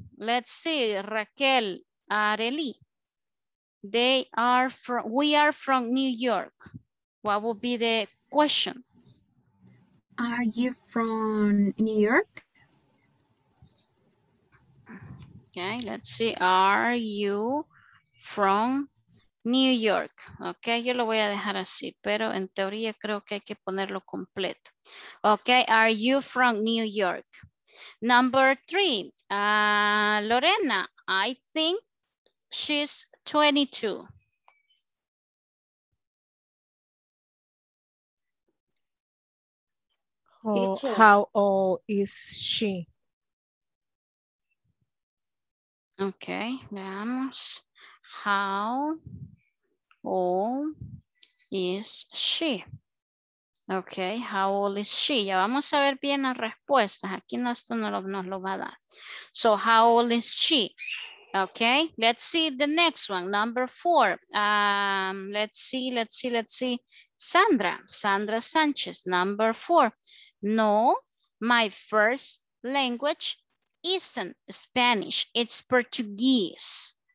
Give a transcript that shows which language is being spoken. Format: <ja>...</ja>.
<en>Let's see, Raquel, Arely. We are from New York. What would be the question? Are you from New York? Okay, let's see, are you from New York?</en> <es>Okay, yo lo voy a dejar así, pero en teoría creo que hay que ponerlo completo.</es> <en>Okay, are you from New York? Number three, Lorena, I think she's 22. How old is she? Okay,</en> <es>veamos.</es> <en>How old is she? Okay, how old is she?</en> <es>Ya vamos a ver bien las respuestas. Aquí no, esto no lo, nos lo va a dar.</es> <en>So, how old is she? Okay, let's see the next one, number four. Let's see. Sandra, Sandra Sanchez, number four. No, my first language isn't Spanish, it's Portuguese.</en>